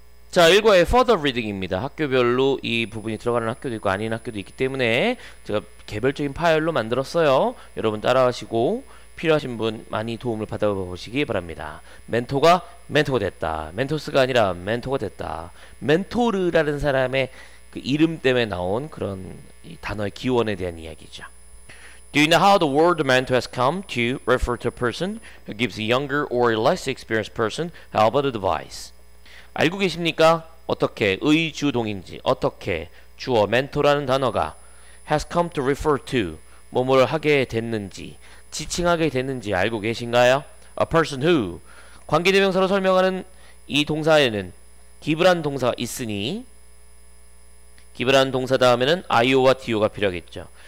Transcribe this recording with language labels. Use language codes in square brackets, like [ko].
[ko] 자, 1과의 further reading입니다. 학교별로 이 부분이 들어가는 학교도 있고 아닌 학교도 있기 때문에 제가 개별적인 파열로 만들었어요. 여러분 따라하시고 필요하신 분 많이 도움을 받아보시기 바랍니다. 멘토가 됐다. 멘토스가 아니라 멘토가 됐다. 멘토르라는 사람의 그 이름 때문에 나온 그런 이 단어의 기원에 대한 이야기죠. [en] Do you know how the word mentor has come to refer to a person who gives a younger or less experienced person help or advice? [ko] 알고 계십니까? 어떻게 의주동인지 어떻게 주어 멘토라는 단어가 [en] has come to refer to [ko] 뭐뭐를 하게 됐는지 지칭하게 됐는지 알고 계신가요? [en] A person who [ko] 관계대명사로 설명하는 이 동사에는 give라는 동사가 있으니 give라는 동사 다음에는 io와 do가 필요하겠죠.